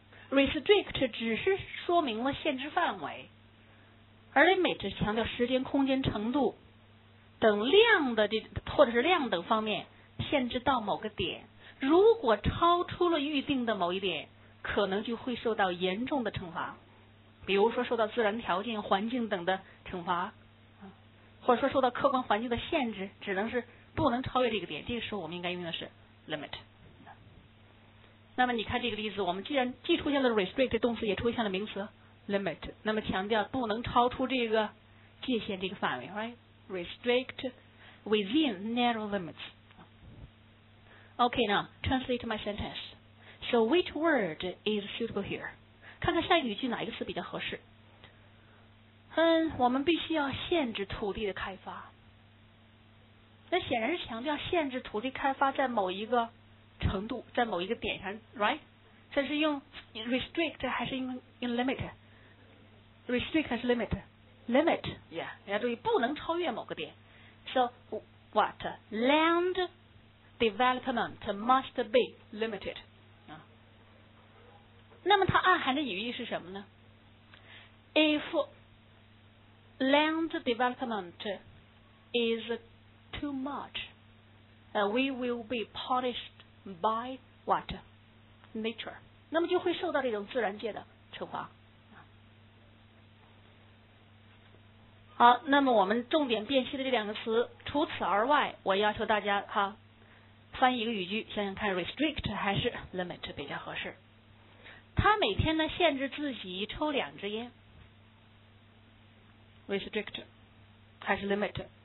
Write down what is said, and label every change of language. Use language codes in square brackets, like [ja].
[zh] restrict 只是说明了限制范围而 limit 强调时间空间程度等量的或者是量等方面限制到某个点如果超出了预定的某一点可能就会受到严重的惩罚比如说受到自然条件环境等的惩罚或者说受到客观环境的限制只能是不能超越这个点这个时候我们应该用的是 limit 那么你看这个例子我们既然既出现了 restrict 动词也出现了名词 limit 那么强调不能超出这个界限这个范围 right? [en] Restrict within narrow limits. Okay, now translate my sentence. So, which word is suitable here? [zh] 看看下一个语句哪一个词比较合适。我们必须要限制土地的开发。那显然是强调限制土地开发在某一个程度，在某一个点上 ，right? 这是用 restrict 还是用 limit? Restrict 还是 limit? Limit, yeah, 大家注意不能超越某个点 [en] So, what? Land development must be limited、 [zh] 那么它暗含的语义是什么呢 [en] If land development is too much、we will be punished by what? [zh] Nature 那么就会受到这种自然界的惩罚好那么我们重点辨析的这两个词除此而外我要求大家哈翻译一个语句想想看 restrict 还是 limit 比较合适他每天呢限制自己抽两支烟 restrict 还是 limit